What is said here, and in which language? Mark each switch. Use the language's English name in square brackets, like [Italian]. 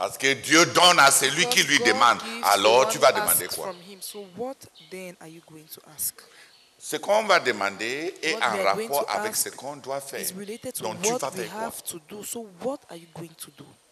[French] Parce que Dieu donne à celui qui lui demande. Alors tu vas demander quoi? [English] So what then are you going to ask? [French] Ce qu'on va demander est en rapport avec ce qu'on doit faire. Donc tu vas faire quoi? [English] So what are you going to do?